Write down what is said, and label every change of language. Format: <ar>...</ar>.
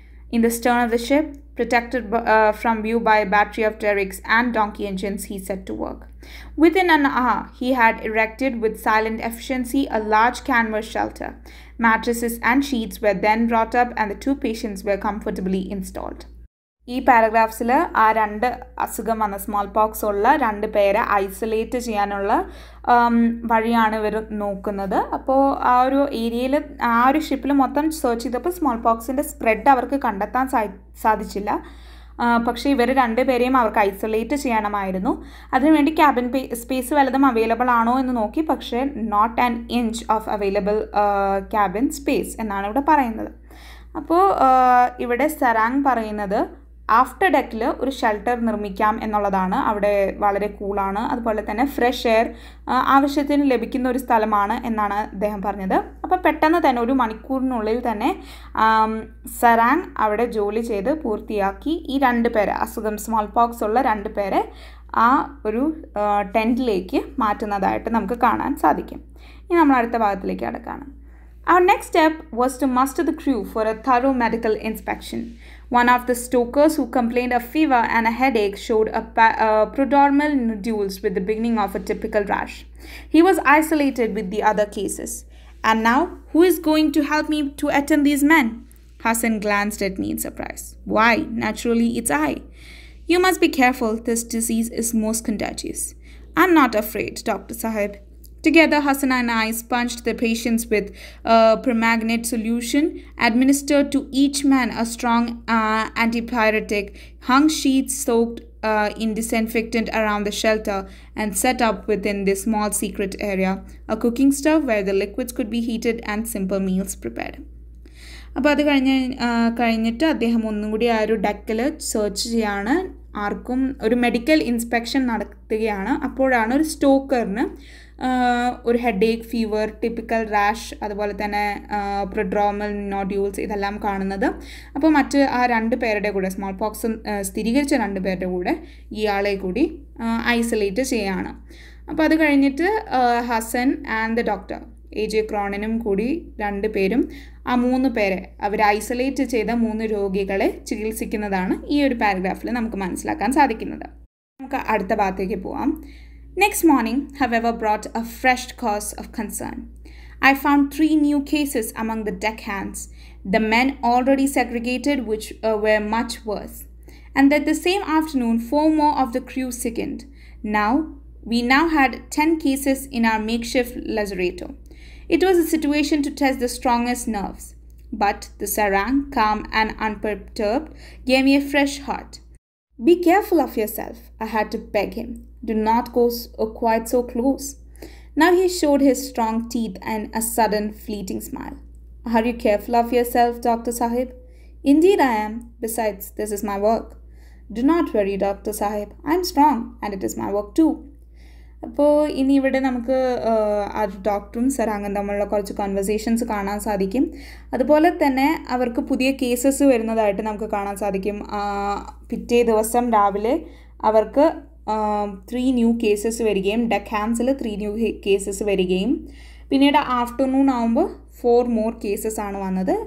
<en>In the stern of the ship, protected from view by a battery of derricks and donkey engines, he set to work. Within an hour, he had erected with silent efficiency a large canvas shelter. Mattresses and sheets were then brought up and the two patients were comfortably installed.</en> <ml>ഈ പാരഗ്രാഫ്സിൽ ആ രണ്ട് അസുഖം വന്ന small pox ഉള്ള രണ്ട് പേരെ isolate ചെയ്യാനുള്ള വഴിയാണ് ഇവർ നോക്കുന്നത്. അപ്പോൾ ആ ഒരു ഏരിയയിൽ ആ ഒരു ഷിപ്പിൽ മൊത്തം സെർച്ച് ചെയ്തപ്പോൾ സ്മോൾ പോക്സിൻ്റെ സ്പ്രെഡ് അവർക്ക് കണ്ടെത്താൻ സാധിച്ചില്ല. പക്ഷേ ഇവർ രണ്ടുപേരെയും അവർക്ക് ഐസൊലേറ്റ് ചെയ്യണമായിരുന്നു. അതിനുവേണ്ടി ക്യാബിൻ സ്പേസ് വല്ലതും അവൈലബിൾ ആണോ എന്ന് നോക്കി. പക്ഷേ</ml> <en>not an inch of available cabin space</en> <ml>എന്നാണ് ഇവിടെ പറയുന്നത്. അപ്പോൾ ഇവിടെ സരാങ് പറയുന്നത് ആഫ്റ്റർ ഡെക്കിൽ ഒരു ഷെൽട്ടർ നിർമ്മിക്കാം എന്നുള്ളതാണ്. അവിടെ വളരെ കൂളാണ്, അതുപോലെ തന്നെ ഫ്രഷ് എയർ ആവശ്യത്തിന് ലഭിക്കുന്ന ഒരു സ്ഥലമാണ് എന്നാണ് അദ്ദേഹം പറഞ്ഞത്. അപ്പോൾ പെട്ടെന്ന് തന്നെ ഒരു മണിക്കൂറിനുള്ളിൽ തന്നെ സരാങ് അവിടെ ജോലി ചെയ്ത് പൂർത്തിയാക്കി ഈ രണ്ട് പേരെ, അസുഖം സ്മോൾ പോക്സ് ഉള്ള രണ്ട് പേരെ ആ ഒരു ടെൻറ്റിലേക്ക് മാറ്റുന്നതായിട്ട് നമുക്ക് കാണാൻ സാധിക്കും. ഇനി നമ്മൾ അടുത്ത ഭാഗത്തിലേക്ക് കടക്കാണ്.</ml> <en>Our next step was to muster the crew for a thorough medical inspection. One of the stokers who complained of fever and a headache showed prodromal nodules with the beginning of a typical rash. He was isolated with the other cases. And now, who is going to help me to attend these men? Hassan glanced at me in surprise. Why? Naturally, it's I. You must be careful. This disease is most contagious. I'm not afraid, Dr. Sahib. Together, Hassan and I sponged the patients with a permanganate solution, administered to each man a strong antipyretic, hung sheets soaked in disinfectant around the shelter, and set up within this small secret area a cooking stove where the liquids could be heated and simple meals prepared.</en> <ml>അപ്പോൾ അത് കഴിഞ്ഞിട്ട് അദ്ദേഹം ഒന്നും കൂടി ആ ഒരു ഡെക്കിൽ search ചെയ്യാണ്. ആർക്കും ഒരു മെഡിക്കൽ ഇൻസ്പെക്ഷൻ നടത്തുകയാണ്. അപ്പോഴാണ് ഒരു സ്റ്റോക്കറിന് ഒരു ഹെഡേക്ക്, ഫീവർ, ടിപ്പിക്കൽ റാഷ്, അതുപോലെ തന്നെ പ്രൊഡ്രോമൽ നോഡ്യൂൾസ് ഇതെല്ലാം കാണുന്നത്. അപ്പോൾ മറ്റ് ആ രണ്ട് പേരുടെ കൂടെ, സ്മോൾ പോക്സ് സ്ഥിരീകരിച്ച രണ്ട് പേരുടെ കൂടെ ഇയാളെ കൂടി ഐസൊലേറ്റ് ചെയ്യുകയാണ്. അപ്പോൾ അത് കഴിഞ്ഞിട്ട് Hasan and the doctor A J ക്രോണിനും കൂടി രണ്ട് പേരും ആ മൂന്ന് പേരെ, അവർ ഐസൊലേറ്റ് ചെയ്ത മൂന്ന് രോഗികളെ ചികിത്സിക്കുന്നതാണ് ഈ ഒരു പാരഗ്രാഫിൽ നമുക്ക് മനസ്സിലാക്കാൻ സാധിക്കുന്നത്. നമുക്ക് അടുത്ത ഭാഗത്തേക്ക് പോവാം.</ml> <en>Next morning, however, brought a fresh cause of concern. I found three new cases among the deckhands, the men already segregated, which were much worse. And that the same afternoon, four more of the crew sickened. We now had 10 cases in our makeshift lazaretto. It was a situation to test the strongest nerves. But the Sarang, calm and unperturbed, gave me a fresh heart. Be careful of yourself, I had to beg him. Do not go quite so close. Now he showed his strong teeth and a sudden fleeting smile. Are you careful of yourself, Dr. Sahib? Indeed I am. Besides, this is my work. Do not worry, Dr. Sahib. I am strong and it is my work too.</en> <ml>അപ്പോൾ ഇനി ഇവിടെ നമുക്ക് ആ ഡോക്ടറും സരാങ്ങും തമ്മിലുള്ള കുറച്ച് കൺവെർസേഷൻസ് കാണാൻ സാധിക്കും. അതുപോലെ തന്നെ അവർക്ക് പുതിയ കേസസ് വരുന്നതായിട്ട് നമുക്ക് കാണാൻ സാധിക്കും. പിറ്റേ ദിവസം രാവിലെ അവർക്ക് ത്രീ ന്യൂ കേസസ് വരികയും ഡെക്ക് ഹാൻസിൽ ത്രീ ന്യൂ കേസസ് വരികയും പിന്നീട് ആഫ്റ്റർനൂൺ ആകുമ്പോൾ ഫോർ മോർ കേസസ് ആണ് വന്നത്.</ml>